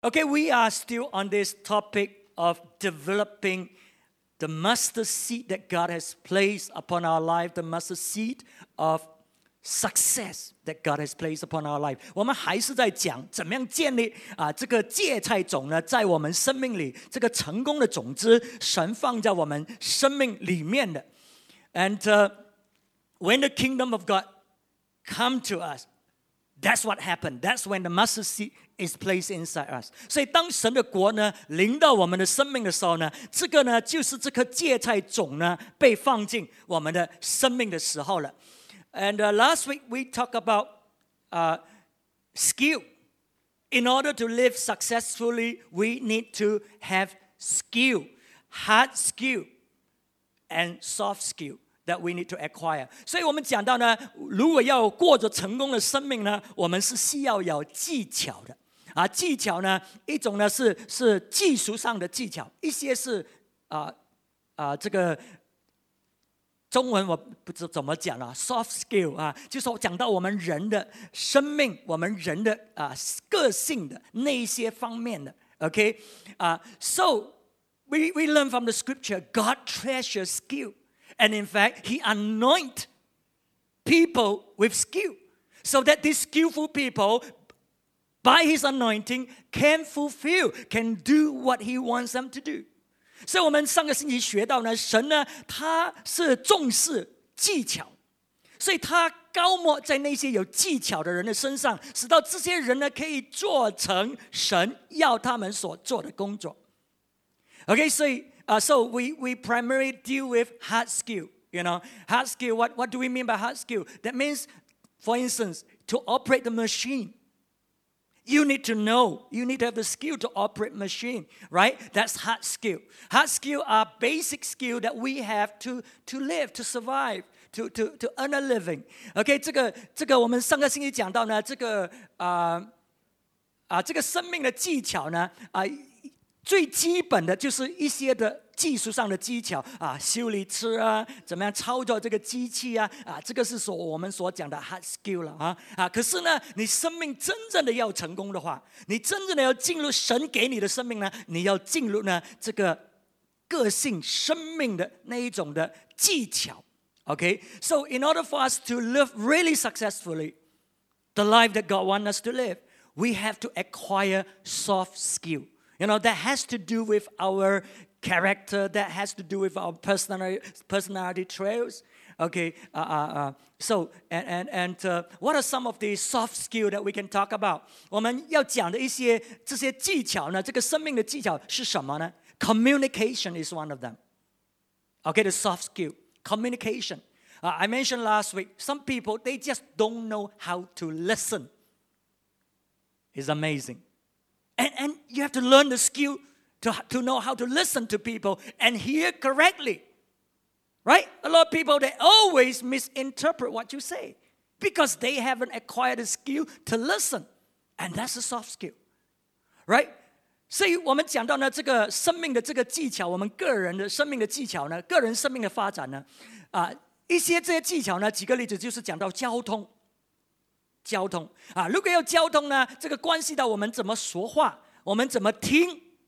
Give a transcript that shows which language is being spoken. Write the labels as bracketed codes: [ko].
[en] Okay, we are still on this topic of developing the mustard seed that God has placed upon our life, the mustard seed of success that God has placed upon our life. [zh] 我们还是在讲怎么样建立这个芥菜种呢，在我们生命里，这个成功的种子，神放在我们生命里面的。 [en] And when the kingdom of God come to us, that's what happened. That's when the mustard seed is placed inside us. [zh] 所以当神的国呢临到我们的生命的时候呢，这个呢就是这颗芥菜种呢被放进我们的生命的时候了。 [en] And last week we talked about skill. In order to live successfully, we need to have skill, hard skill and soft skill. That we need to acquire. [zh] 所以我们讲到呢，如果要过着成功的生命呢，我们是需要有技巧的。技巧呢，一种呢是技术上的技巧，一些是这个中文我不知怎么讲了 ，soft skill 就是讲到我们人的生命，我们人的个性的那一些方面的。 [en] OK， so we learn from the scripture, God treasures skill. And in fact, he anoint people with skill so that these skillful people, by his anointing, can fulfill, can do what he wants them to do. [zh] So, 我们上个星期学到呢，神呢，他是重视技巧，所以他高莫在那些有技巧的人的身上，使到这些人呢，可以做成神要他们所做的工作。 [en] Okay, so. So we primarily deal with hard skill, you know. Hard skill, what do we mean by hard skill? That means, for instance, to operate the machine. You need to know, you need to have the skill to operate machine, right? That's hard skill. Hard skill are basic skill that we have to live, to survive, to earn a living. [zh] Okay, 这个我们上个星期讲到呢，这个生命的技巧呢，最基本的就是一些的技术上的技巧修理车啊，怎么样操作这个机器这个是我们所讲的 hard skill 了可是呢，你生命真正的要成功的话，你真正的要进入神给你的生命呢，你要进入呢这个个性生命的那一种的技巧。 [en] OK, so in order for us to live really successfully the life that God wants us to live, we have to acquire soft skillYou know, that has to do with our character, that has to do with our personality traits. Okay, so, what are some of the soft skills that we can talk about? [zh] 我们要讲的一些这些技巧呢，这个生命的技巧是什么呢？ [en] Communication is one of them. Okay, the soft skill, communication. I mentioned last week, some people, they just don't know how to listen. It's amazing. And you have to learn the skill to know how to listen to people and hear correctly, right? A lot of people, they always misinterpret what you say because they haven't acquired the skill to listen. And that's a soft skill, right? [zh] 所以我们讲到呢，这个生命的这个技巧，我们个人的生命的技巧呢，个人生命的发展呢，一些这些技巧呢，几个例子就是讲到交通。交通如果要交通呢，这个关系到我们怎么说话，我们怎么听。